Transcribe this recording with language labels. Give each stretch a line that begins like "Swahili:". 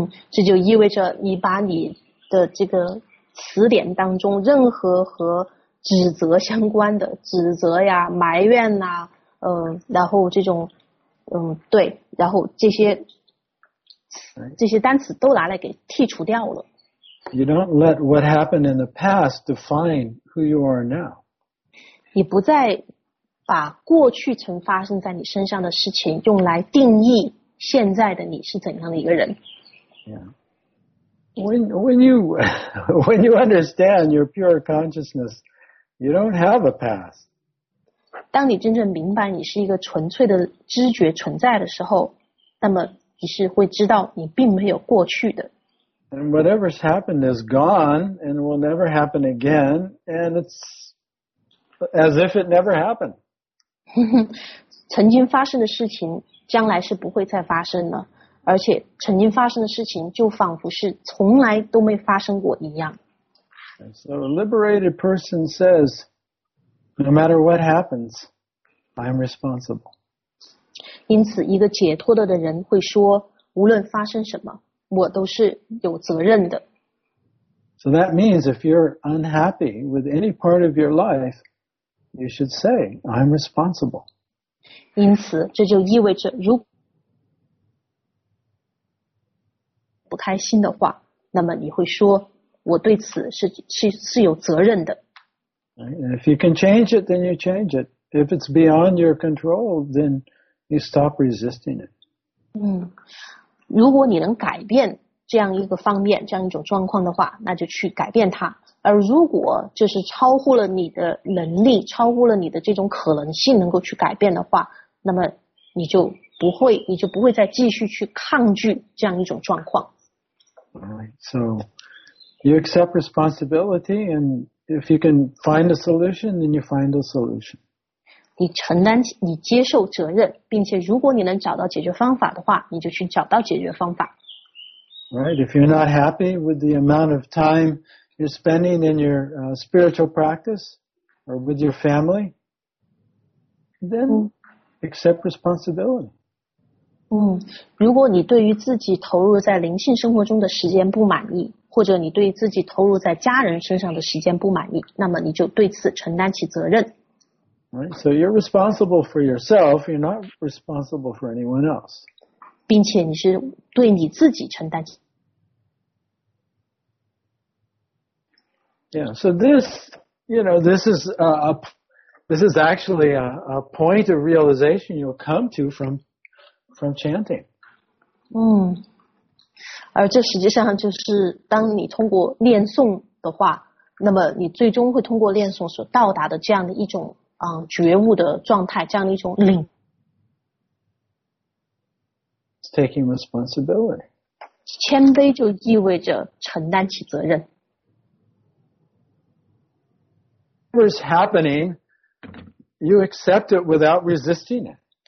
Chinese: 这就意味着你把你的这个词典当中任何和指责相关的指责呀、埋怨呐、然后这种，对，然后这些单词都拿来给剔除掉了。
English: You don't let what happened in the past define who you are now.
Chinese: 你不再把过去曾发生在你身上的事情用来定义现在的你是怎样的一个人。
English: Yeah. When you understand your pure consciousness, you don't have a past.
Chinese: 当你真正明白你是一个纯粹的知觉存在的时候，那么你是会知道你并没有过去的。
English: And whatever's happened is gone and will never happen again, and it's as if it never happened.
Chinese: 曾经发生的事情将来是不会再发生了，而且曾经发生的事情就仿佛是从来都没发生过一样。
English: So a liberated person says, no matter what happens, I am responsible.
Chinese: 因此一个解脱的人会说，无论发生什么，我都是有责任的。
English: So that means if you're unhappy with any part of your life, you should say, I'm responsible.
Chinese: 因此这就意味着如果不开心的话，那么你会说我对此 是有责任的。
English: If you can change it, then you change it. If it's beyond your control, then you stop resisting it.
Chinese: 如果你能改变这样一个方面，这样一种状况的话，那就去改变它。而如果这是超乎了你的能力，超乎了你的这种可能性能够去改变的话，那么你就不会再继续去抗拒这样一种状况。
English: Alright, so you accept responsibility, and if you can find a solution, then you find a solution.
Chinese: 你承担，你接受责任，并且如果你能找到解决方法的话，你就去找到解决方法。
English: Right, if you're not happy with the amount of time you're spending in your spiritual practice or with your family, then accept responsibility.
Chinese: 如果你对于自己投入在灵性生活中的时间不满意，或者你对自己投入在家人身上的时间不满意，那么你就对此承担起责任。
English: Right, so you're responsible for yourself, you're not responsible for anyone else.
Chinese: 并且你是对你自己承担起。
English: Yeah, so this, you know, this is actually a point of realization you'll come to from chanting.
Chinese: 而这实际上就是当你通过念诵的话，那么你最终会通过念诵所到达的这样的一种觉悟的状态，这样的一种领。
English: It's taking responsibility.
Chinese: 谦卑就意味着承担起责任。
English: Whatever's happening, you accept it without resisting it.